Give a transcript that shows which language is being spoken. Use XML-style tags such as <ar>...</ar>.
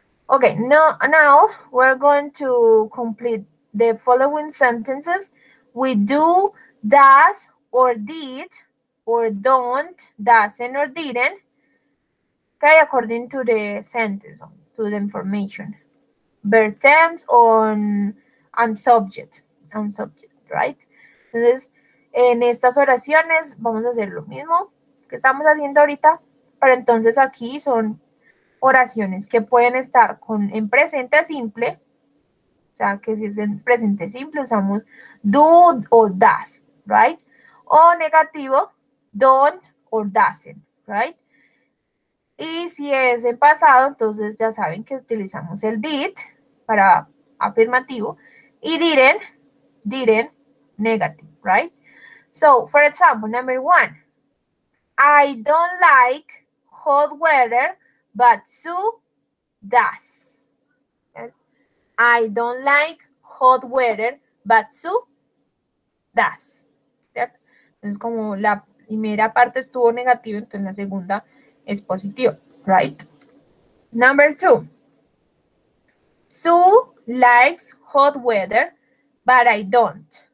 <en>Okay, now we're going to complete the following sentences. We do, does, or did, or don't, doesn't, or didn't. Okay, according to the sentence, to the information. Verb tense on subject. On subject, right?</en> <es>Entonces, en estas oraciones vamos a hacer lo mismo que estamos haciendo ahorita, pero entonces aquí son oraciones que pueden estar con en presente simple, o sea, que si es en presente simple usamos do o does, right? O negativo, don't or doesn't, right? Y si es en pasado, entonces ya saben que utilizamos el did para afirmativo y didn't, negative, right?</es> <en>So, for example, number one, I don't like hot weather, but Sue does. I don't like hot weather, but Sue does.</en> <es>Entonces, como la primera parte estuvo negativa, entonces la segunda es positiva, right?</es> <en>Number two, Sue likes hot weather, but I don't.</en>